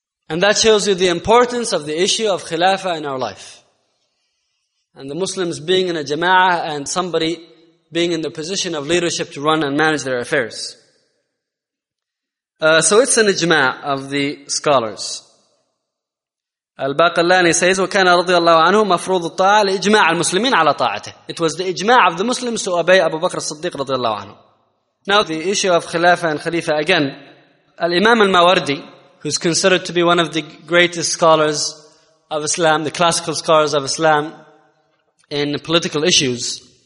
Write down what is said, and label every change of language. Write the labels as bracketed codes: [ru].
[en] And that shows you the importance of the issue of Khilafah in our life. And the Muslims being in a jama'ah and somebody being in the position of leadership to run and manage their affairs. So it's an ijma' of the scholars. Al-Baqillani says, [ar] وَكَانَ رَضِيَ اللَّهُ عَنْهُ مَفْرُوضُ الطَّاعَةِ لِإِجْمَاعَ الْمُسْلِمِينَ عَلَى طَاعَتِهِ. [en] It was the ijma' of the Muslims to obey Abu Bakr as-Siddiq [ar] رضي الله عنه. [en] Now the issue of Khilafah and Khalifa again. Al-Imam al-Mawardi, who's considered to be one of the greatest scholars of Islam, the classical scholars of Islam in political issues,